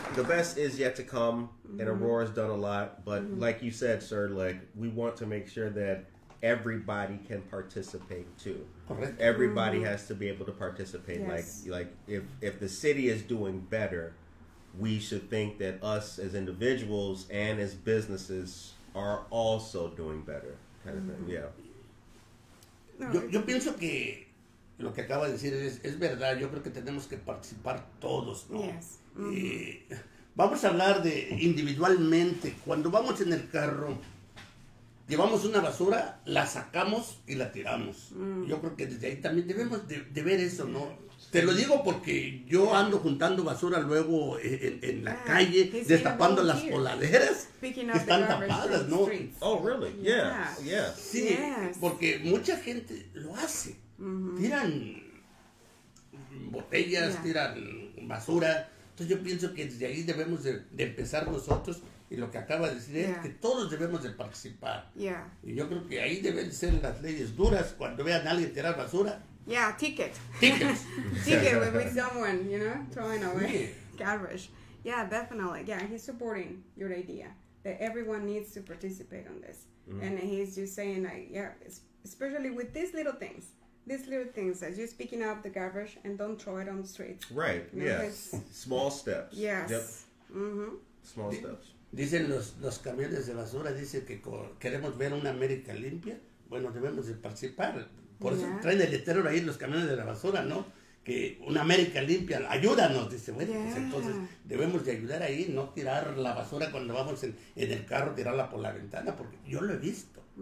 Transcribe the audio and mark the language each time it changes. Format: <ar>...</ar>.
<en>The best is yet to come, and Aurora's done a lot. But like you said, sir, like we want to make sure that everybody can participate too. Everybody has to be able to participate. Yes. Like if the city is doing better, we should think that us as individuals and as businesses are also doing better. Kind of thing. Yeah.</en> <es>Yo pienso que lo que acaba de decir es verdad. Yo creo que tenemos que participar todos, ¿no?</es> <en>Yes.</en> <es>Vamos a hablar de individualmente. Cuando vamos en el carro, llevamos una basura, la sacamos y la tiramos. Yo creo que desde ahí también debemos de ver eso, ¿no? Te lo digo porque yo ando juntando basura luego en la calle, destapando las coladeras que están tapadas, ¿no?</es> <en>Oh, really? Yeah. Yeah.</en> <es>Sí,</es> <en>yeah.</en> <es>Porque mucha gente lo hace. Mm-hmm. Tiran botellas, tiran basura. Entonces yo pienso que desde ahí debemos de empezar nosotros. Y lo que acaba de decir es que todos debemos de participar.</es> <en>Yeah.</en> <es>Y yo creo que ahí deben ser las leyes duras. Cuando vean a alguien tirar basura,</es> <en>Yeah, ticket. Ticket. Ticket with someone, you know, throwing away garbage. Yeah, definitely. Yeah, he's supporting your idea that everyone needs to participate on this. Mm-hmm. And he's just saying, like, yeah, especially with these little things, as you're picking up the garbage and don't throw it on the streets. Right, you know, yes. Small steps. Yes. Yep. Mm-hmm. Small steps.</en> <es>Dicen los camiones de basura, dice que queremos ver una América limpia. Bueno, debemos de participar. Por eso traen el letrero ahí los camiones de la basura, ¿no? Que una América limpia, ayúdanos, dice. Bueno, pues entonces debemos de ayudar ahí, no tirar la basura cuando vamos en el carro, tirarla por la ventana, porque yo lo he visto.</es>